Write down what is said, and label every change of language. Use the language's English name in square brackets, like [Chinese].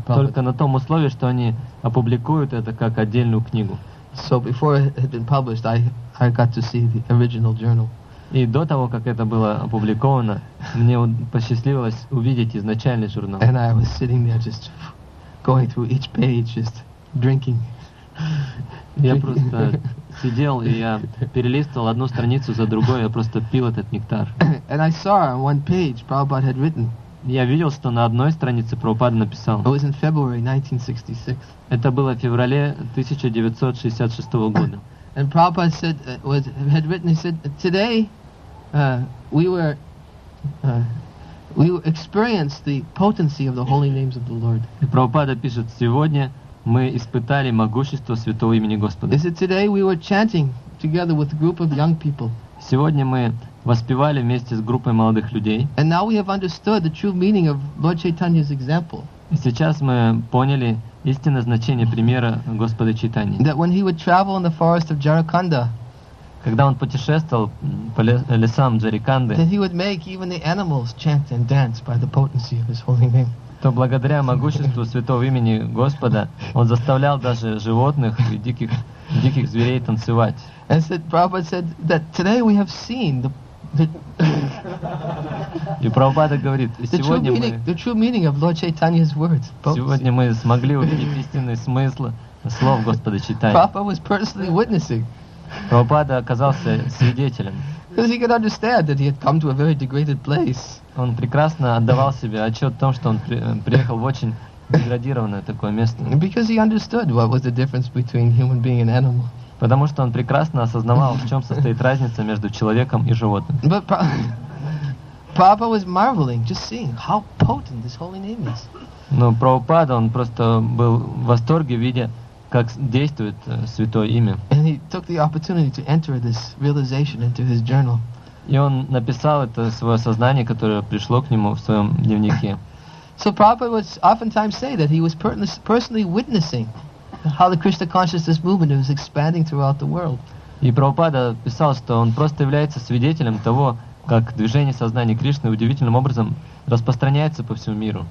[Russian] Только на том условии, что они опубликуют это как отдельную книгу. [English] So before it had been published, I got to see the original journal. [Russian] И до того, как это было опубликовано, мне посчастливилось увидеть изначальный журнал. [English] And I was sitting there just going through each page, just drinking. [Russian] Я просто сидел, и я перелистывал одну страницу за другой, я просто пил этот нектар. [English] And I saw on one page Prabhupada had written. [Russian] Я видел, что на одной странице Прабхупада написал. [English] It was in February 1966. [Russian] Это было в феврале 1966 года. [English] And Prabhupada said, had written, he said, today we experienced the potency of the holy names of the Lord. [Russian] И Прабхупада пишет, сегодня мы испытали могущество святого имени Господа. [English] Is it today we were chanting together with a group of young people? [Russian] Сегодня мы воспевали вместе с группой молодых людей. [English] And now we have understood the true meaning of Lord Chaitanya's example. [Russian] И сейчас мы поняли истинное значение примера Господа Чайтаньи. [English] That when he would travel in the forest of Jarakanda, [Russian] когда он путешествовал по лесам Джариканды, [English] that he would make even the animals chant and dance by the potency of his holy name. [Russian] То благодаря могуществу святого имени Господа он заставлял даже животных и диких зверей танцевать. [English] And said, Prabhupada said that today we have seen the [Russian] И Прабхупада говорит, сегодня мы [English] the true meaning of Lord Chaitanya's words. [Russian] Сегодня мы смогли увидеть истинный смысл слов Господа Чайтаньи. [English] Prabhupada was personally witnessing. [Russian] Прабхупада оказался свидетелем. [English] Because he could understand that he had come to a very degraded place. [Russian] Он прекрасно отдавал себе отчет о том, что он приехал в очень деградированное такое место. [English] Because he understood what was the difference between human being and animal. [Russian] Потому что он прекрасно осознавал, в чем состоит разница между человеком и животным. [English] But Prabhupada was marveling, just seeing how potent this holy name is. [Russian] Но Прабхупада, он просто был в восторге, видя, как действует святое имя. [English] And he took the opportunity to enter this realization into his journal. [Russian] И он написал это свое сознание, которое пришло к нему в своем дневнике. [English] So Prabhupada would oftentimes say that he was personally witnessing how the Krishna consciousness movement was expanding throughout the world. [Russian] И Прабхупада писал, что он просто является свидетелем того, как движение сознания Кришны удивительным образом распространяется по всему миру.